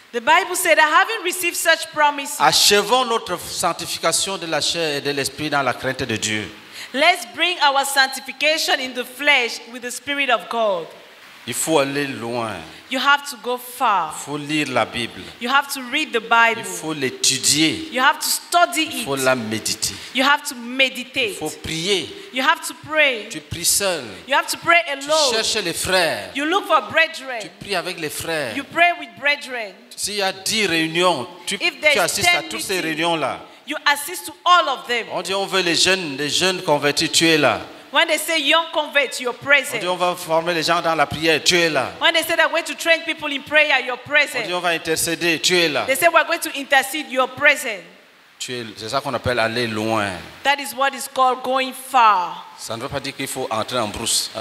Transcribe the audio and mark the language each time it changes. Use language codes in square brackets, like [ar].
[en] the Bible said that having received such promises, [fr] achevons notre sanctification de la chair et de l'esprit dans la crainte de Dieu. [en] Let's bring our sanctification in the flesh with the Spirit of God. [fr] Il faut aller loin. [en] You have to go far. [fr] Il faut lire la Bible. [en] You have to read the Bible. [fr] Il faut l'étudier. [en] You have to study it. [fr] Il faut la méditer. [en] You have to meditate. [fr] Il faut prier. [en] You have to pray. [fr] Tu pries seul. [en] You have to pray alone. [fr] Tu cherches les frères. [en] You look for brethren. [fr] Tu pries avec les frères. [en] You pray with brethren. [fr] S'il y a 10 réunions, tu assistes à toutes ces réunions là. [en] You assist to all of them. [fr] On dit on veut les jeunes convertis, tu es là. [en] When they say young converts, you're present. [fr] On dit on va former les gens dans la prière, tu es là. [en] When they say that we're to train people in prayer, you're present. [fr] On dit on va intercéder, tu es là. [en] They say we're going to intercede, you're present. [fr] Tu es, c'est ça qu'on appelle aller loin. [en] That is what is called going far. [fr] Ça ne veut pas dire qu'il faut entrer en brousse.